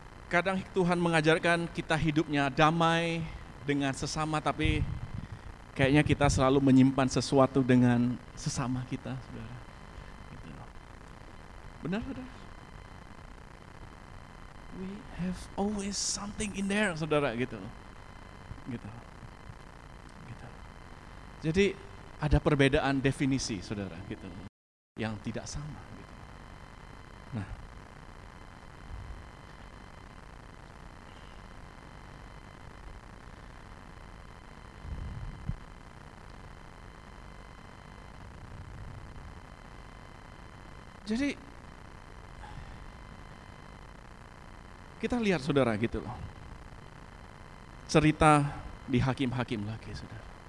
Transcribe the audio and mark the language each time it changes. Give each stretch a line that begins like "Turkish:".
Indonesian: Kadang Tuhan mengajarkan kita hidupnya damai dengan sesama, tapi kayaknya kita selalu menyimpan sesuatu dengan sesama kita, saudara. Benar, saudara?
English: We have always something in there, saudara, gitu. Gitu.
Indonesian: Jadi ada perbedaan definisi, saudara, gitu, yang tidak sama. Gitu. Nah, jadi kita lihat, saudara, gitu loh, cerita di Hakim-Hakim lagi, saudara.